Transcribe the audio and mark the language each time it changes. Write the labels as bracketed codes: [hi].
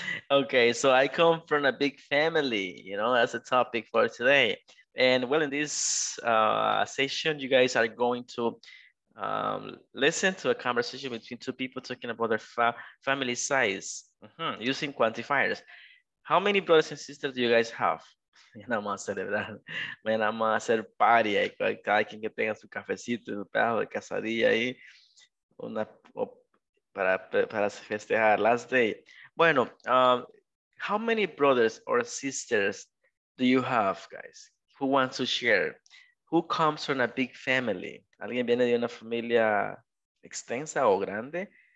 [en] Okay, so I come from a big family, you know, that's a topic for today. And well, in this session, you guys are going to listen to a conversation between two people talking about their family size using quantifiers. How many brothers and sisters do you guys have? [es] Nada más celebrar, nada más hacer party, cada quien que tenga su cafecito, su pedazo de casadilla ahí, una para festejar, [en] last day. Bueno, how many brothers or sisters do you have, guys? Who wants to share? Who comes from a big family? [es] ¿Alguien viene de una familia extensa o grande?